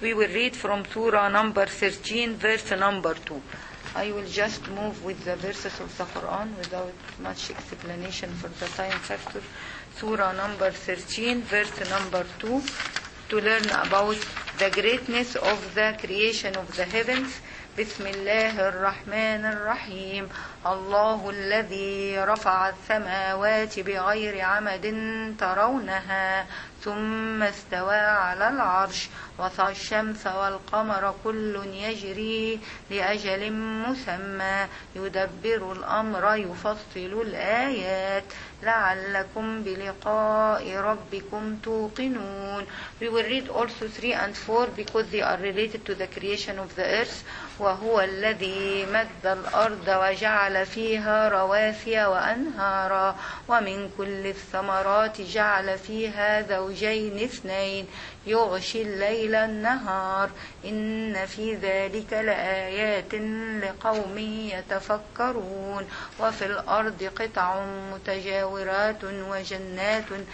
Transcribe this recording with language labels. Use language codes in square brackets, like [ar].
[en] We will read from Surah number 13, verse number 2. I will just move with the verses of the Quran without much explanation for the time factor. Surah number 13, verse number 2, to learn about the greatness of the creation of the heavens. [ar] بسم الله الرحمن الرحيم الله الذي رفع السماوات بغير عمد ترونها ثم استوى على العرش وسع الشمس والقمر كل يجري لأجل مسمى يدبر الأمر يفصل الآيات لعلكم بلقاء ربكم توقنون. [en] We will read also 3 and 4 because they are related to the creation of the earth. [ar] وهو الذي مد الأرض وجعل فيها رواسي وأنهارا ومن كل الثمرات جعل فيها زوجين اثنين يغشي الليل النهار إن في ذلك لآيات لقوم يتفكرون وفي الأرض قطع متجاورات وجنات